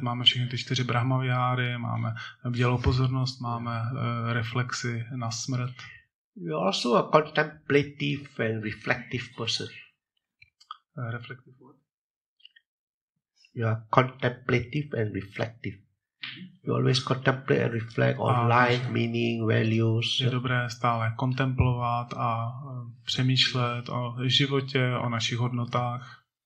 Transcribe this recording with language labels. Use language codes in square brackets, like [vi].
[cs] Máme všechny ty čtyři brahmaviháry, máme bdělou pozornost, máme reflexy na smrt. [en] You are also a contemplative and reflective person. Reflective what? You are contemplative and reflective. You always contemplate and reflect on life, meaning, values. [cs] Je dobré stále kontemplovat a přemýšlet o životě, o našich hodnotách.